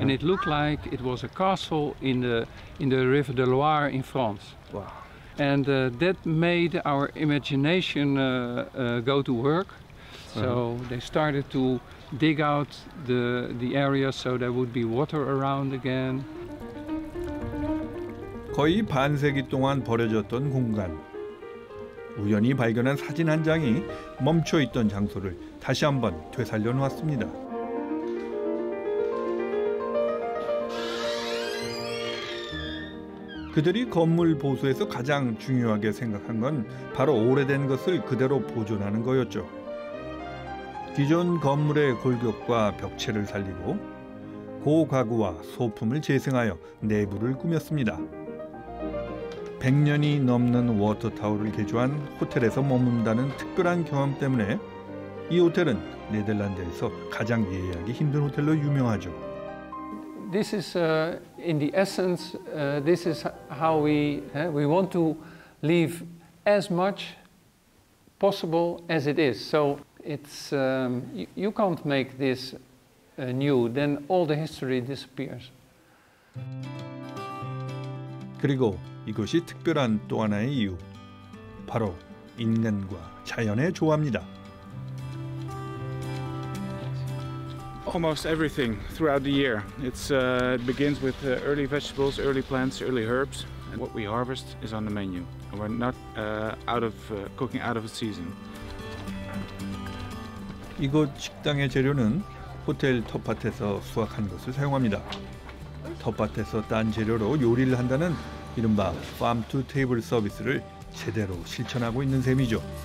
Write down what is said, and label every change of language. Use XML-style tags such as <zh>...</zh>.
<en>and it looked like it was a castle in the River de Loire in France. Wow. And that made our imagination go to work. So uh-huh. they started to dig out the area so there would be water around again.</en> <ko>거의 반세기 동안 버려졌던 공간. 우연히 발견한 사진 한 장이 멈춰 있던 장소를 다시 한번 되살려 놓았습니다. 그들이 건물 보수에서 가장 중요하게 생각한 건 바로 오래된 것을 그대로 보존하는 거였죠. 기존 건물의 골격과 벽체를 살리고 고가구와 소품을 재생하여 내부를 꾸몄습니다. 100년이 넘는 워터타워를 개조한 호텔에서 머문다는 특별한 경험 때문에 이 호텔은 네덜란드에서 가장 예약이 힘든 호텔로 유명하죠.</ko> <en>This is in the essence, this is how we want to leave as much possible as it is. So it's you can't make this new, then all the history disappears.</en> <ko>그리고 이것이 특별한 또 하나의 이유, 바로 인간과 자연의 조화입니다.</ko> <en>Almost everything throughout the year. It begins with early vegetables, early plants, early herbs. And what we harvest is on the menu. We're not out of cooking out of a season.</en> <ko>이곳 식당의 재료는 호텔 텃밭에서 수확한 것을 사용합니다. 텃밭에서 딴 재료로 요리를 한다는 이른바 farm to table 서비스를 제대로 실천하고 있는 셈이죠.</ko>